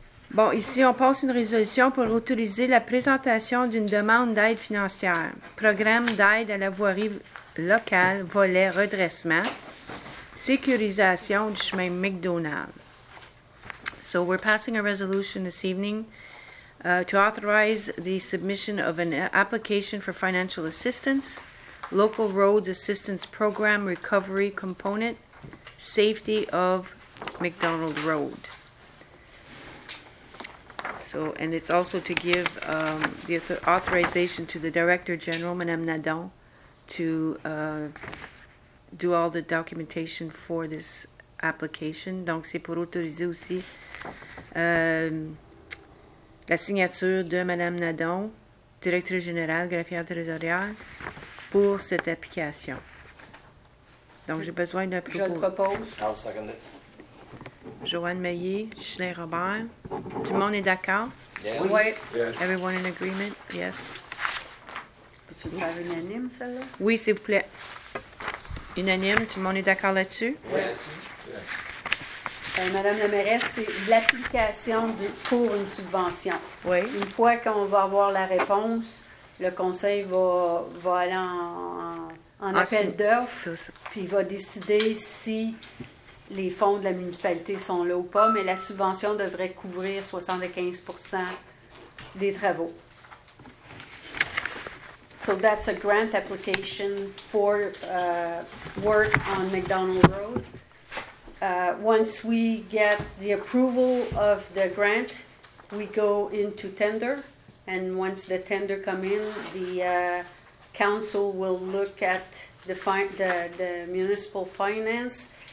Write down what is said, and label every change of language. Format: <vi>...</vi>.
<fr>Bon, ici, on passe une résolution pour autoriser la présentation d'une demande d'aide financière. Programme d'aide à la voirie locale, volet redressement, sécurisation du chemin McDonald.</fr> <en>So we're passing a resolution this evening to authorize the submission of an application for financial assistance, local roads assistance program recovery component, safety of McDonald Road. So, and it's also to give the authorization to the Director General, Madame Nadon, to do all the documentation for this application.</en> <fr>Donc, c'est pour autoriser aussi la signature de Madame Nadon, Directrice Générale, Greffière Trésorière, pour cette application. Donc, j'ai besoin d'un propos. Je le propose.</fr> <en>I'll second it.</en> <fr>Joanne Maillé, Chelin Robert. Tout le monde est d'accord?</fr> <en>Yes.</en> <fr>Oui.</fr> <en>Yes. Everyone in agreement? Yes.</en> <fr>Peux-tu le faire unanime, celle-là? Oui, s'il vous plaît. Unanime, tout le monde est d'accord là-dessus? Oui. Madame la mairesse, c'est l'application pour une subvention. Oui. Une fois qu'on va avoir la réponse, le conseil va aller en appel d'offres, puis il va décider si les fonds de la municipalité sont là ou pas, mais la subvention devrait couvrir 75% des travaux.</fr> <en>So that's a grant application for work on McDonald Road. Once we get the approval of the grant, we go into tender, and once the tender come in, the council will look at the municipal finance.</en>